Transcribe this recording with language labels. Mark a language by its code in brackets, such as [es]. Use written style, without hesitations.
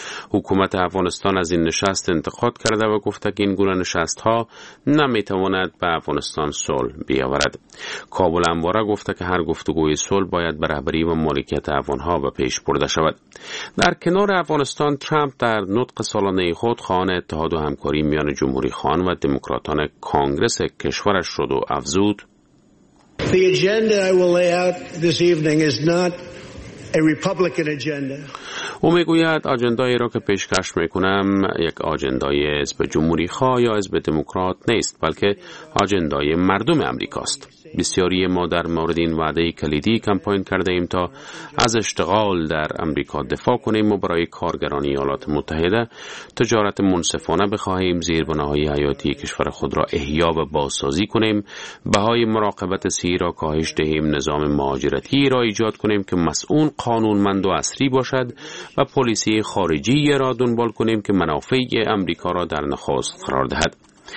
[fa] حکومت افغانستان از این نشست انتقاد کرده و گفته که این گونه نشست ها نمیتواند به افغانستان صلح بیاورد. کابل انواره گفته که هر گفتگوی صلح باید به رهبری و مالکیت افغان ها به پیش برده شود. در کنار افغانستان، ترامپ در نطق سالانه خود خواهان اتحاد و همکاری میان جمهوری خان و دموکراتان کانگرس کشورش شد و افزود: [en] The agenda I will lay out this evening is not a Republican agenda. [fa] او میگوید آجندایی را که پیشکش میکنم یک آجندای حزب جمهوری خواه یا حزب دموکرات نیست، بلکه آجندای مردم امریکاست. بسیاری ما در مورد این وعده کلیدی کمپاین کرده ایم تا از اشتغال در امریکا دفاع کنیم و برای کارگران ایالات متحده تجارت منصفانه بخواهیم، زیربناهای حیاتی کشور خود را احیا و بازسازی کنیم، بهای مراقبت سی را کاهش دهیم، نظام مهاجرتی را ایجاد کنیم که مسئول قانونمند و اصری باشد و پلیسی خارجی را دنبال کنیم که منافع امریکا را در نخست قرار دهد.